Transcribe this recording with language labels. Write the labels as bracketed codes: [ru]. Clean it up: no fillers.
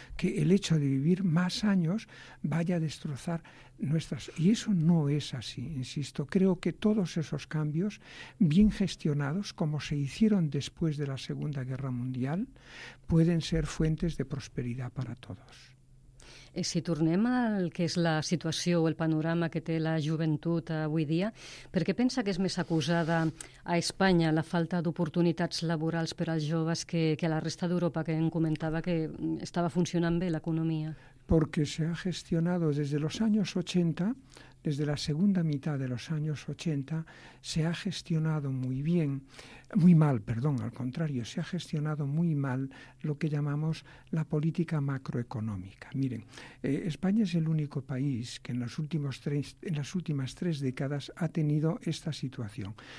[es] Que el hecho de vivir más años vaya a destrozar nuestras... Y eso no es así, insisto. Creo que todos esos cambios, bien gestionados, como se hicieron después de la Segunda Guerra Mundial, pueden ser fuentes de prosperidad para todos. [ca] Si tornem al que és la situació o el panorama que té la joventut avui dia, per què pensa que és més acusada a Espanya la falta d'oportunitats laborals per als joves que a la resta d'Europa, que em comentava que estava funcionant bé l'economia? [es] Porque se ha gestionado desde los años 80, desde la segunda mitad de los años 80, se ha gestionado muy bien, muy mal, perdón, al contrario, se ha gestionado muy mal lo que llamamos la política macroeconómica. Miren, España es el único país que en las últimas tres décadas ha tenido esta situación.